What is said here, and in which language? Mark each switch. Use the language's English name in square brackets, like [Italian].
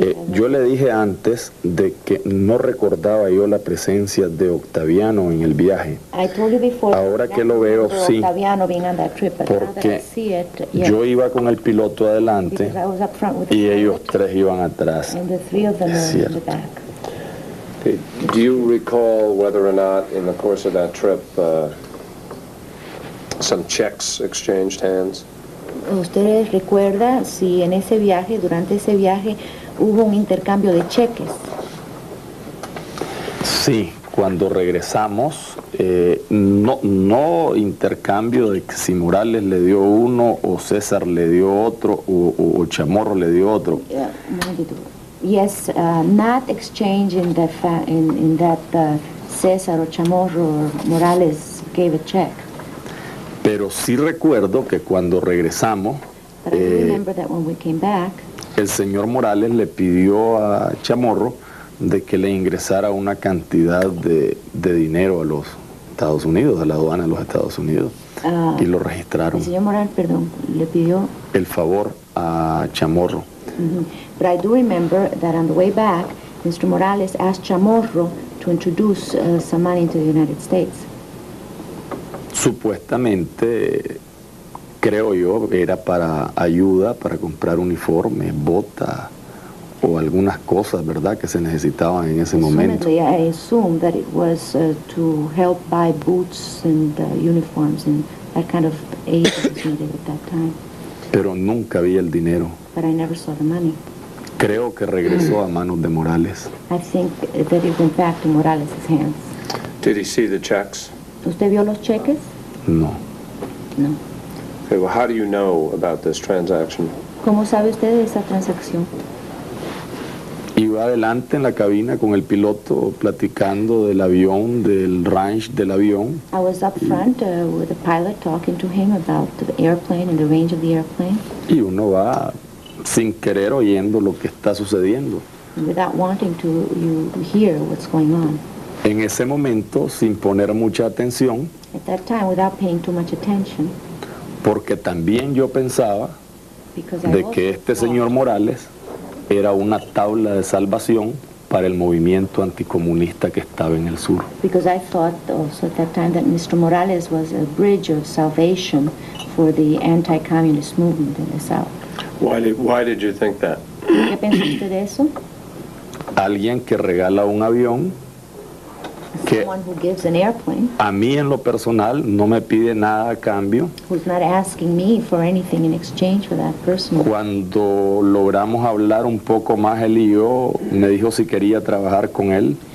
[Spanish] Yo le dije antes de que no recordaba yo la presencia de Octaviano en el viaje. [English] I told you before, [Spanish] ahora que lo veo, sí. Porque yo iba con el piloto adelante y ellos tres iban atrás. [English] Okay. Do you recall whether or not in the course of that trip some checks exchanged hands? [Spanish] ¿Ustedes recuerdan si en ese viaje, durante ese viaje, hubo un intercambio de cheques? Sí, cuando regresamos, no intercambio de que si Morales le dio uno, o César le dio otro, o Chamorro le dio otro. [English] Yes, not exchange in that César o Chamorro or Morales gave a check. [Spanish] Pero sí recuerdo que cuando regresamos, el señor Morales le pidió a Chamorro de que le ingresara una cantidad de dinero a los Estados Unidos, a la aduana de los Estados Unidos, y lo registraron. El señor Morales, perdón, le pidió el favor a Chamorro. [English] Mm-hmm. But I do remember that on the way back, Mr. Morales asked Chamorro to introduce some money into the United States. [Spanish] Supuestamente creo yo, era para ayuda, para comprar uniformes, botas o algunas cosas, ¿verdad?, que se necesitaban en ese momento. [English] Assumedly, I assume that it was to help buy boots and uniforms and that kind of aid that was needed at that time. [Spanish] Pero nunca vi el dinero. [English] But I never saw the money. [Spanish] Creo que regresó a manos de Morales. [English] I think that it went back to Morales' hands. Did he see the checks? [Spanish] ¿Usted vio los cheques? No. [English] No. Okay, well, how do you know about this transaction? [Spanish] ¿Cómo sabe usted de esa transacción? Iba adelante en la cabina con el piloto platicando del avión, del range del avión. [English] I was up front with the pilot talking to him about the airplane and the range of the airplane. [Spanish] Y uno va sin querer oyendo lo que está sucediendo. [English] Without wanting to, you hear what's going on. [Spanish] En ese momento, sin poner mucha atención. [English] At that time, without paying too much attention. [Spanish] Porque también yo pensaba de que este señor Morales era una tabla de salvación para el movimiento anticomunista que estaba en el sur. [English] Because I thought also at that time that Mr. Morales was a bridge of salvation for the anti-communist movement in the south. Why did you think that? [Spanish] ¿Qué pensó usted de eso? Alguien que regala un avión. [English] Someone who gives an airplane. [Spanish] A mí en lo personal no me pide nada a cambio. [English] Who's not asking me for anything in exchange for that person. [Spanish] Cuando logramos hablar un poco más él y yo, me dijo si quería trabajar con él.